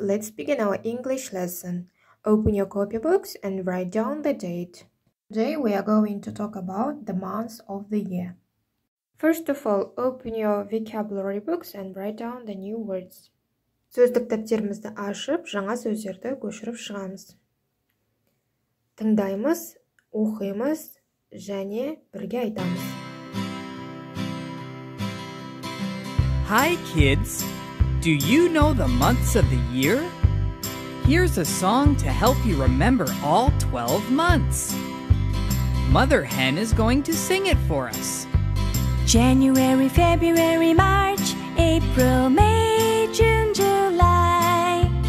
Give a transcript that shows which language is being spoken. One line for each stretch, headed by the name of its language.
English: Let's begin our English lesson. Open your copybooks and write down the date. Today we are going to talk about the months of the year. First of all, open your vocabulary books and write down the new words.
Kazakh: Сөздік дәптерімізді ашып, жаңа сөздерді көшіріп шығамыз. Тыңдаймыз, оқимыз, және бірге айтамыз.
English: Hi, kids! Do you know the months of the year? Here's a song to help you remember all 12 months. Mother Hen is going to sing it for us. January, February, March, April, May, June, July.